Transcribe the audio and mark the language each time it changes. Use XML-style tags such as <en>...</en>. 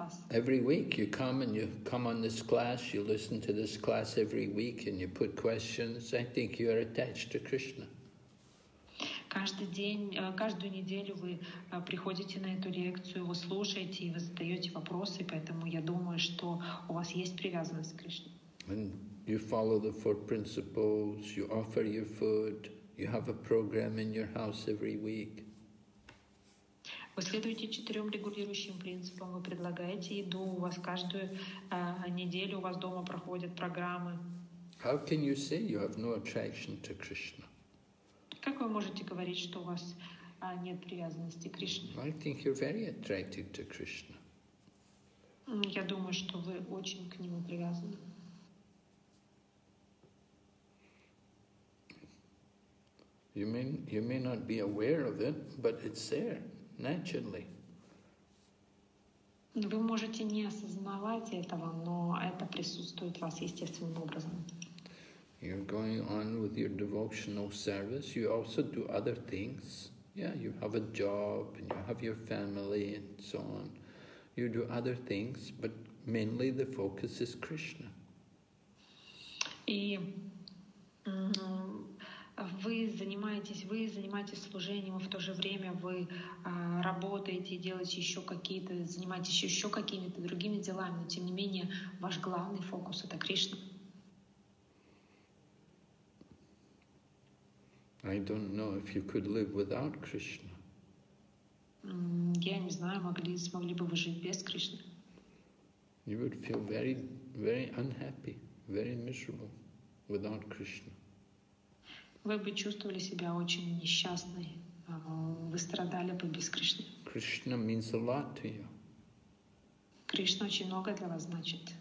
<en>Every week you come and you come on this class, you listen to this class every week and you put questions, I think you are attached to Krishna.</en> <ru>Каждую неделю вы приходите на эту лекцию, вы слушаете и вы задаете вопросы, поэтому я думаю, что у вас есть привязанность к Кришне.</ru> <en>And you follow the four principles, you offer your food, you have a program in your house every week.</en> <ru>Вы следуете четырем регулирующим принципам, вы предлагаете еду, у вас каждую неделю у вас дома проходят программы.</ru> <en>How can you say you have no attraction to Krishna?</en> <ru>Как вы можете говорить, что у вас нет привязанности к Кришне?</ru> <en>I think you're very attracted to Krishna.</en> <ru>Я думаю, что вы очень к нему привязаны.</ru> <en>You may not be aware of it, but it's there. Naturally.</en> <ru>Вы можете не осознавать этого, но это присутствует в вас естественным образом.</ru> <en>You're going on with your devotional service. You also do other things. Yeah, you have a job and you have your family and so on. You do other things, but mainly the focus is Krishna.</en> <ru>И вы занимаетесь служением, в то же время вы работаете, занимаетесь еще какими-то другими делами, но тем не менее ваш главный фокус это Кришна.</ru> <en>I don't know if you could live without Krishna.</en> <ru>Я не знаю, смогли бы вы жить без Кришны.</ru> <en>You would feel very, very unhappy, very miserable without Krishna.</en> <ru>Вы бы чувствовали себя очень несчастной. Вы страдали бы без Кришны.</ru> <en>Krishna means a lot to you.</en> <ru>Кришна очень много для вас значит.</ru>